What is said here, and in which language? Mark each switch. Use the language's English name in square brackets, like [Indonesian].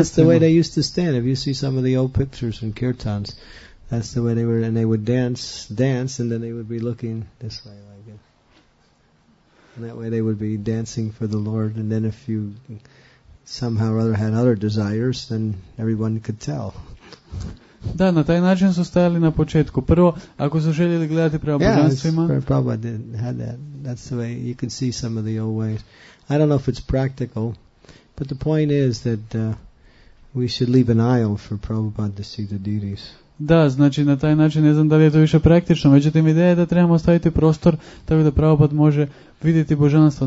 [English] Yeah, that's the way they used to stand. If you see some of the old pictures in kirtans, that's the way they were, and they would dance and then they would be looking this way like it. And that way they would be dancing for the Lord, and then if you somehow or other had other desires, then everyone could tell. [Croatian] Da, na taj način su stajali na početku. Prvo, ako su željeli gledati prema božanstvima. [English] Yeah, Prabhupada had that. That's the way you could see some of the old ways. I don't know if it's practical, but the point is that we should leave an aisle for Prabhupada to see the deities. [Croatian] Da, znači na taj način ne znam da li je to više praktično, međutim ideja je da trebamo ostaviti prostor tako da Prabhupada može vidjeti božanstvo.